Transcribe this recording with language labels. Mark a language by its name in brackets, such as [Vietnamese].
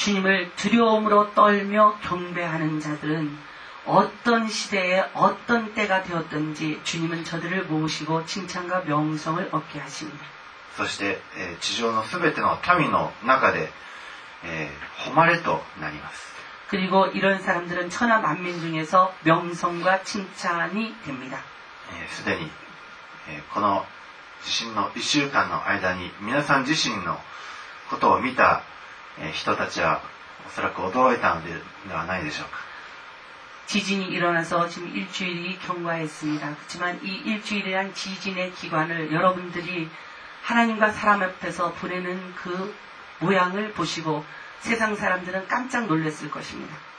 [Korean] 주님을두려움으로떨며경배하는자들은어떤시대에어떤때가되었든지주님은저들을모으시고칭찬과명성을얻게하십니다。 [Japanese] そして地上のすべての民の中で、誉れとなります。 [Korean] 그리고이런사람들은천하만민중에서명성과칭찬이됩니다。 [Japanese] すでに、この地震の1週間の間に皆さん自身のことを見た、人たちはおそらく驚いたのではないでしょうか。 [Korean] 地震이일어나서지금일주일이경과했습니다。 그렇지만이일주일에한지진의기간을여러분들이하나님과사람앞에서보내는그모양을보시고세상사람들은깜짝놀랐을것입니다。